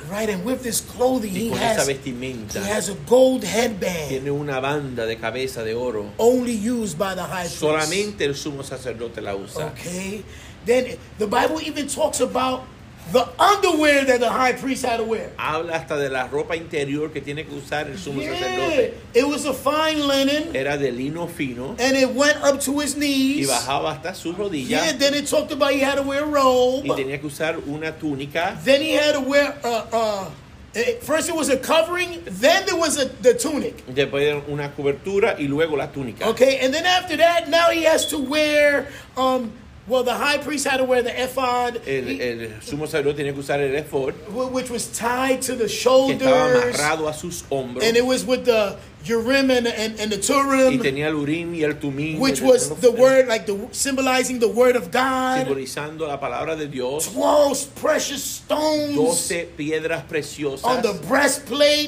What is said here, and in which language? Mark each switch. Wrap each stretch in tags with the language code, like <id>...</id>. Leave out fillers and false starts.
<en>Right, and with this clothing he has a gold headband.</en> <es>Tiene una banda de cabeza de oro.</es> <en>Only used by the high priest.</en> <es>Solamente el sumo sacerdote la usa.</es> <en>Okay. Then the Bible even talks about the underwear that the high priest had to wear.</en> <es>Habla hasta de la ropa interior que tiene que usar el sumo sacerdote.</es> <en>It was a fine linen.</en> <es>Era de lino fino.</es> <en>And it went up to his knees.</en> <es>Y bajaba hasta sus rodillas.</es> <en>Yeah, then it talked about he had to wear a robe.</en> <es>Y tenía que usar una túnica.</es> <en>Then he had to wear first it was a covering, then there was the tunic.</en> <es>Después una cobertura y luego la túnica.</es> <en>Okay, and then after that, now he has to wear Well, the high priest had to wear the ephod.</en> <es>El sumo sacerdote tenía que usar el ephod,</es> <en>which was tied to the shoulders.</en> <es>Que estaba amarrado a sus hombros.</es> <en>And it was with the Urim and the Turim.</en> <es>Y tenía el Urim y el Tumim.</es> <en>Which was the word, like the symbolizing the word of God.</en> <es>Simbolizando la palabra de Dios.</es> <en>12 precious stones.</en> <es>12 piedras preciosas.</es> <en>On the breastplate.</en>